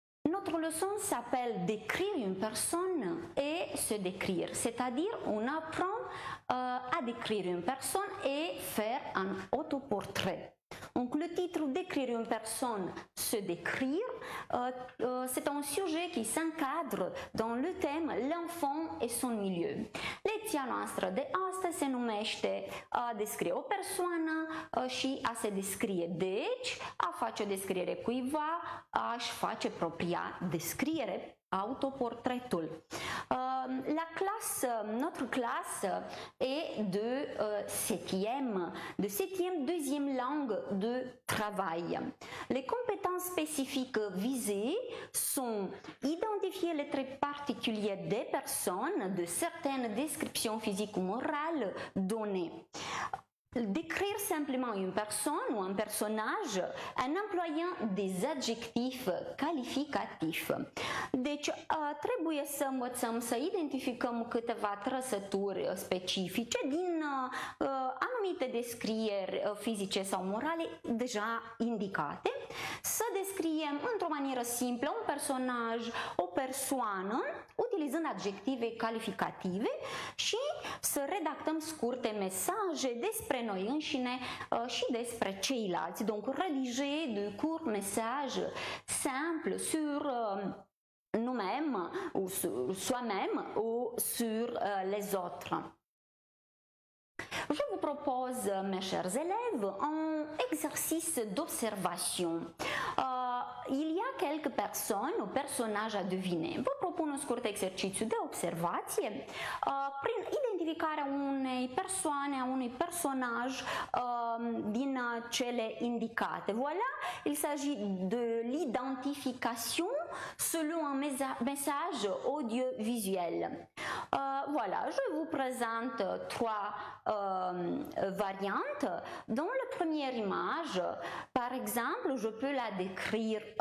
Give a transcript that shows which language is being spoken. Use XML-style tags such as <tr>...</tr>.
<fr>Notre leçon s'appelle décrire une personne et se décrire, c'est-à-dire on apprend à décrire une personne et faire un autoportrait. Donc le titre décrire une personne, se décrire, c'est un sujet qui s'encadre dans le thème l'enfant et son milieu.</fr> <ro>Lecția noastră de astăzi se numește a descrie o persoană și a se descrie. Deci, a face o descriere cuiva, aș face propria descriere, autoportretul.</ro> <fr>La clasă, notre clasă e de septième, deuxième langue de travail. Les compétences spécifiques visées sont identifier les traits particuliers des personnes, de certaines descriptions physiques ou morales données. Décrire simplement une personne ou un personnage en employant des adjectifs qualificatifs.</fr> <ro>Deci, trebuie să învățăm să identificăm câteva trăsături specifice din anumite descrieri fizice sau morale deja indicate. Să descriem într-o manieră simplă un personaj, o persoană, utilizând adjective calificative și să redactăm scurte mesaje despre noi înșine și despre ceilalți.</ro> <fr>Donc, rédiger de courts messages simples sur nous-mêmes ou sur soi-même ou sur les autres. Je vous propose, mes chers élèves, un exercice d'observation. Il y a quelques personnes ou personnages à deviner.</fr> <ro>Vă propun un scurt exercițiu de observație prin identificarea unei persoane, a unui personaj din cele indicate.</ro> <fr>Voilà, il s'agit de l'identification selon un message audiovisuel. Voilà, je vous présente trois variantes. Dans la première image, par exemple, je peux la décrire.</fr>